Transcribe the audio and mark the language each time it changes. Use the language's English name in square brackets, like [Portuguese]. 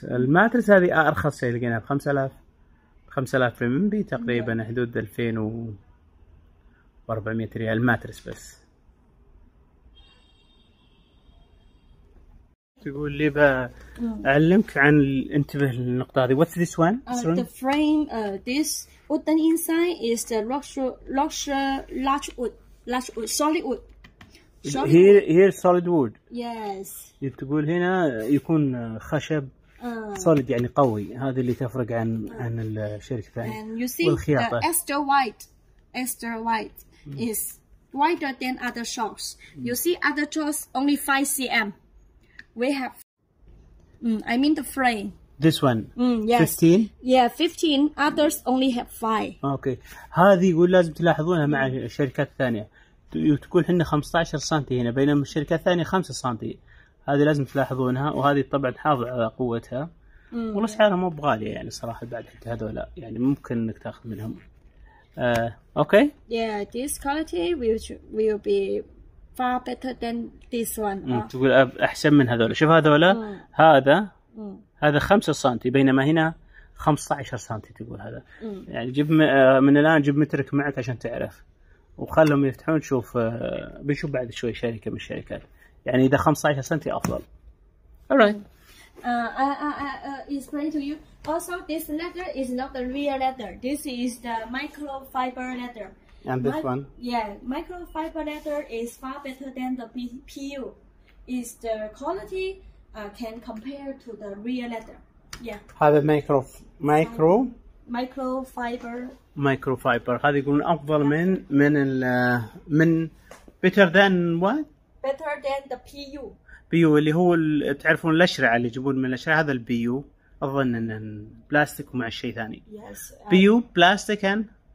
[English] The mattress [Arabic] هذه أرخص شيء لقيناها ب 5000 رمبي تقريبا حدود 2400 ريال ماترس بس. تقول لي بعلمك عن انتبه للنقطة هذه. [English] What's this one? The frame, this wooden inside is the large wood, solid wood. Here solid wood. Yes. [Arabic] تقول هنا يكون خشب solid يعني قوي هذا اللي تفرق عن الشركة الثانية. [English] And you see the extra white is wider than other shops. You see other shops only 5 cm. We have. I mean the frame. This one. Yes. 15. Yeah, 15. Others only have 5. Okay. [Arabic] هذه يقول لازم تلاحظونها مع الشركات الثانية. تقول حنا 15 سنتي هنا بينما الشركة الثانية 5 سنتي هذه لازم تلاحظونها وهذه طبعا تحافظ على قوتها والله سعرها مو بغالية يعني صراحة بعد حتى هذولا يعني ممكن انك تاخذ منهم اوكي [English] yeah this quality will be far better than this one [Arabic] تقول احسن من هذولا شوف هذولا هذا 5 سنتي بينما هنا 15 سنتي تقول هذا يعني جيب من الان جيب مترك معك عشان تعرف وخلهم يفتحون نشوف بنشوف بعد شوي شركة من الشركات يعني إذا 15 سنتي أفضل [English] alright explain to you also this leather is not the real leather this is the microfiber leather and this one yeah microfiber leather is far better than the PU is the quality can compare to the real leather yeah [Arabic] هذا microfiber مايكروفايبر هذا يقولون افضل من [English] better than what better than the PU [Arabic] اللي هو تعرفون الاشرعه اللي يجيبون من الاشرعه هذا البيو اظن ان بلاستيك ومع شيء ثاني بيو بلاستيك ان